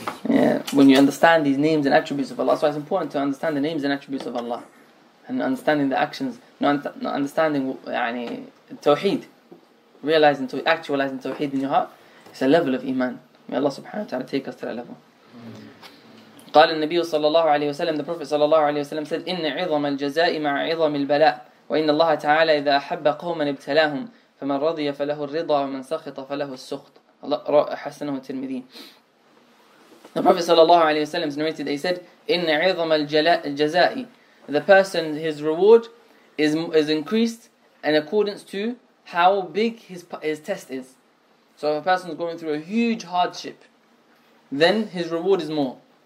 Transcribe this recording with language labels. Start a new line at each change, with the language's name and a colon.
English: Yeah, when you understand these names and attributes of Allah. So it's important to understand the names and attributes of Allah. And understanding the actions. Not understanding tawheed. Realizing, actualizing tawheed in your heart. It's a level of iman. May Allah subhanahu wa ta'ala take us to that level.
Arabic: قال النبي صلى الله عليه وسلم,
English: the Prophet
Arabic: صلى الله عليه وسلم
English: said,
Arabic: إن عظم الجزاء مع عظم البلاء وإن الله تعالى إذا أحب قوما ابتلاهم فمن رضي فله الرضا ومن سخط فله السخط. حسنه الترمذي.
English: The Prophet صلى الله عليه وسلم narrated, he said,
Arabic: إن عظم الجزاء,
English: the person, his reward is increased in accordance to how big his test is. So if a person is going through a huge hardship, then his reward is more.